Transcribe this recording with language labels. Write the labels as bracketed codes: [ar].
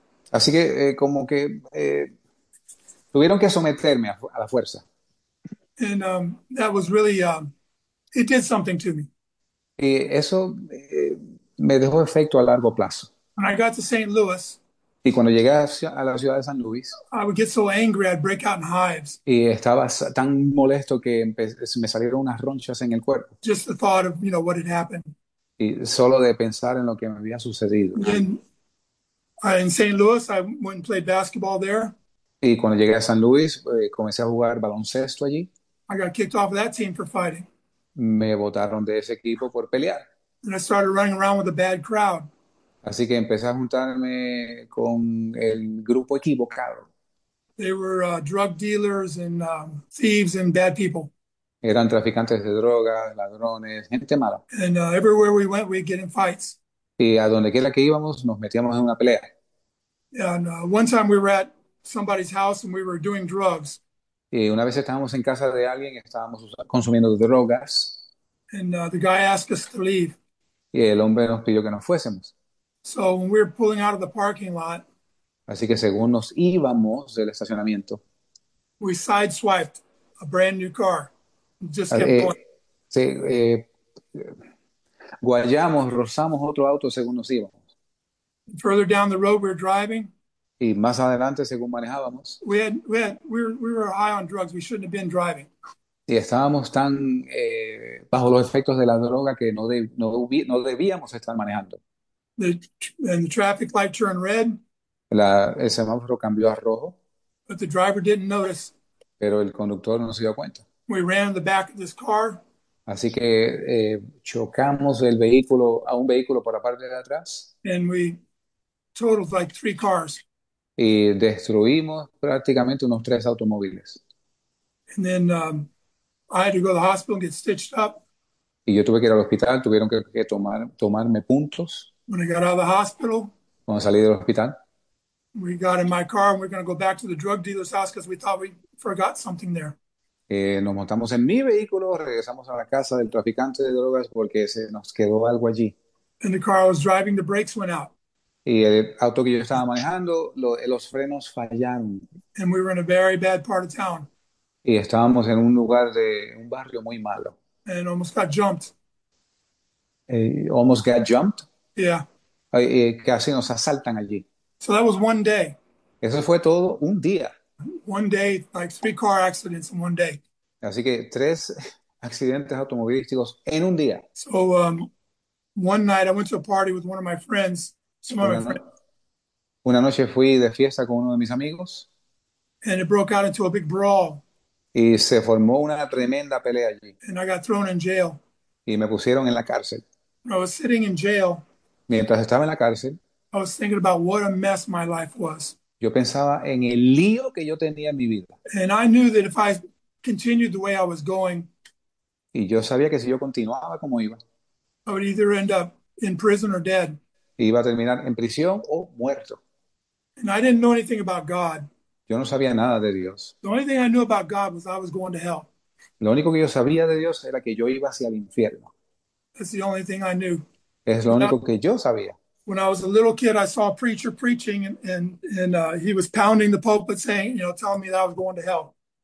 [es] Así que como que tuvieron que someterme a la fuerza. [en] And that was really, it did something to me. [es] Y eso me dejó efecto a largo plazo. [en] When I got to St. Louis, [es] y cuando llegué a la ciudad de San Luis, [en] I would get so angry, I'd break out in hives. [es] Y estaba tan molesto que me salieron unas ronchas en el cuerpo. [en] Just the thought of, you know, what had happened. [es] Y solo de pensar en lo que me había sucedido. [en] In St. Louis, I went and played basketball there. [es] Y cuando llegué a San Luis, comencé a jugar baloncesto allí. [en] I got kicked off of that team for fighting. [es] Me botaron de ese equipo por pelear. [en] And I started running around with a bad crowd. [es] Así que empecé a juntarme con el grupo equivocado. [en] They were drug dealers and thieves and bad people. [es] Eran traficantes de drogas, ladrones, gente mala. [en] And everywhere we went, we'd get in fights. [es] Y a donde quiera que íbamos, nos metíamos en una pelea. [en] And one time we were at somebody's house and we were doing drugs. [es] Y una vez estábamos en casa de alguien, estábamos consumiendo drogas. [en] And the guy asked us to leave. [es] Y el hombre nos pidió que nos fuésemos. [en] So when we were pulling out of the parking lot, [es] así que según nos íbamos del estacionamiento, [en] we sideswiped a brand new car. Just kept going. [es] Guayamos, rozamos otro auto según nos íbamos. [en] And further down the road we were driving. [es] Y más adelante, según manejábamos, [en] we were high on drugs. We shouldn't have been driving. [es] Y estábamos tan bajo los efectos de la droga que no debíamos estar manejando. [en] The traffic light turned red. [es] El semáforo cambió a rojo. [en] But the driver didn't notice. [es] Pero el conductor no se dio cuenta. [en] We ran in the back of this car. [es] Así que chocamos el vehículo a un vehículo por la parte de atrás. [en] And we totaled like three cars. [es] Y destruimos prácticamente unos tres automóviles. [en] And then I had to go to the hospital and get stitched up. [es] Y yo tuve que ir al hospital, tuvieron que tomarme puntos. [en] When I got out of the hospital, [es] cuando salí del hospital, [en] we got in my car and we're going to go back to the drug dealer's house because we thought we forgot something there. [es] Nos montamos en mi vehículo, regresamos a la casa del traficante de drogas porque se nos quedó algo allí. [en] And the car I was driving, the brakes went out. [es] Y el auto que yo estaba manejando, los frenos fallaron. [en] And we were in a very bad part of town. [es] Y estábamos en un lugar de un barrio muy malo. [en] And almost got jumped. Almost got jumped. Yeah. [es] Casi nos asaltan allí. [en] So that was one day. [es] Eso fue todo un día. [en] One day, like three car accidents in one day. [es] Así que tres accidentes automovilísticos en un día. [en] So one night I went to a party with one of my friends. [es] Una noche fui de fiesta con uno de mis amigos. [en] And it broke out into a big brawl. [es] Y se formó una tremenda pelea allí. [en] And I got thrown in jail. [es] Y me pusieron en la cárcel. [en] I was sitting in jail. [es] Mientras estaba en la cárcel, [en] I was thinking about what a mess my life was. [es] Yo pensaba en el lío que yo tenía en mi vida. [en] And I knew that if I continued the way I was going, [es] y yo sabía que si yo continuaba como iba, [en] I would either end up in prison or dead. [es] Iba a terminar en prisión o muerto. [en] And I didn't know anything about God. [es] Yo no sabía nada de Dios. [en] The only thing I knew about God was I was going to hell. [es] Lo único que yo sabía de Dios era que yo iba hacia el infierno. [en] That's the only thing I knew. [es] Es lo único que yo sabía. [en] When I was a little kid, I saw a preacher preaching and he was pounding the pulpit saying, you know, telling me that I was going to hell.